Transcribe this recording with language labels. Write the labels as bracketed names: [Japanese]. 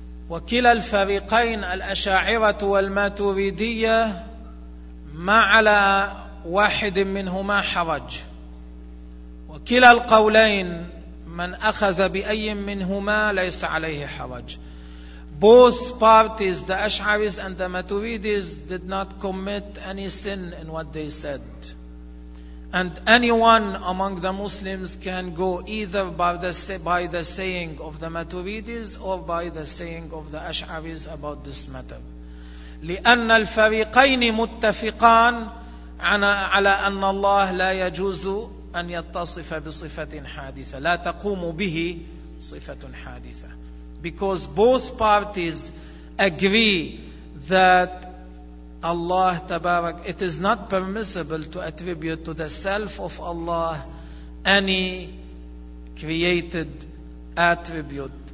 [Arabic] وكلا الفريقين الأشاعرة والماتريدية ما على واحد منهما حرج. وكلا القولين من أخذ بأي منهما ليس عليه حرج. [English] Both parties, the Ash'aris and the Maturidis, did not commit any sin in what they said. And anyone among the Muslims can go either by the saying of the Maturidis or by the saying of the Ash'aris about this matter. [Arabic] لِأَنَّ الْفَرِيقَيْنِ مُتَّفِقَانَ عَلَىٰ أَنَّ اللَّهَ لَا يَجُوزُ أن يتصف بصفة حادثة لا تقوم به صفة حادثة. [English] Because both parties agree that Allah تبارك, it is not permissible to attribute to the self of Allah any created attribute.